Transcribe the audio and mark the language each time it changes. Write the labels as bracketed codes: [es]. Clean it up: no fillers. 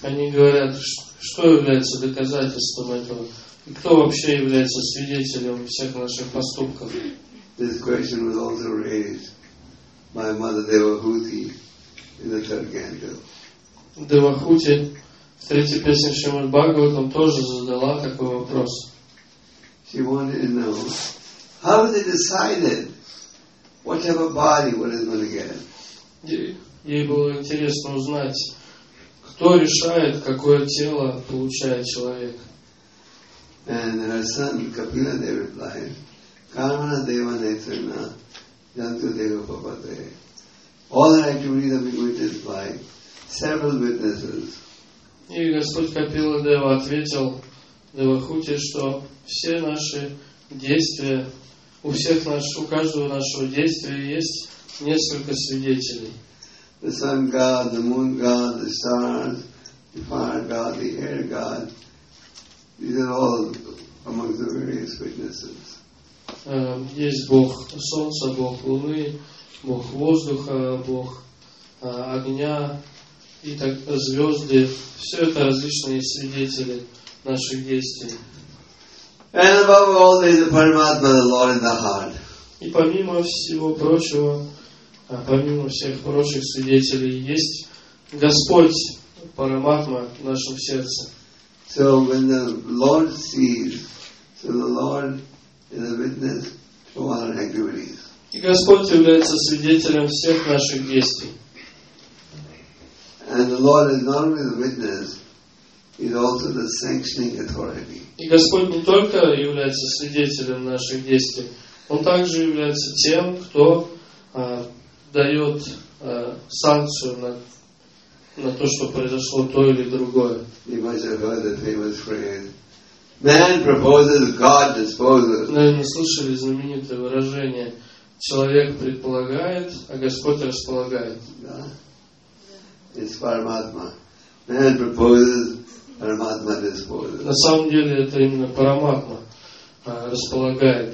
[ru] Они говорят, что является доказательством этого? И кто вообще является свидетелем всех наших поступков? [en] This question was also raised by Mother Devahuti in the third canto. [ru] Девахути в третьей песне Шримад Бхагаватам тоже задала такой вопрос. [en] She wanted to know how they decided whatever body one is going to get. [ru] Ей было интересно узнать, кто решает, какое тело получает человек. [en] And her son Kapila Dev replied, [sa] Karmana Deva Netrana Jantu Deva Papate. [en] All her activities have been witnessed by several witnesses. [ru] И Господь Капила Дева ответил Девахути, что все наши действия, у каждого нашего действия есть несколько свидетелей. [en] The sun god, the moon god, the stars, the fire god, the air god. These are all among the various witnesses. [ru] Есть Бог Солнца, Бог Луны, Бог Воздуха, Бог Огня и так звезды. Все это различные свидетели наших действий. [en] And above all, there is the Paramatma, the Lord in the heart. [ru] И помимо всего прочего, помимо всех прочих свидетелей, есть Господь Параматма в нашем сердце. [en] So when the Lord sees, so the Lord is a witness to all our activities. [ru] И Господь является свидетелем всех наших действий. [en] And the Lord is not only the witness, he's also the sanctioning authority. [ru] И Господь не только является свидетелем наших действий, он также является тем, кто дает санкцию на то, что произошло то или другое. [en] You must have heard the famous phrase, man proposes, God disposes. [ru] Наверное, слышали знаменитое выражение, человек предполагает, а Господь располагает. [en] Да. It's Paramatma. Man proposes, Paramatma disposes. [ru] На самом деле, это именно Параматма располагает.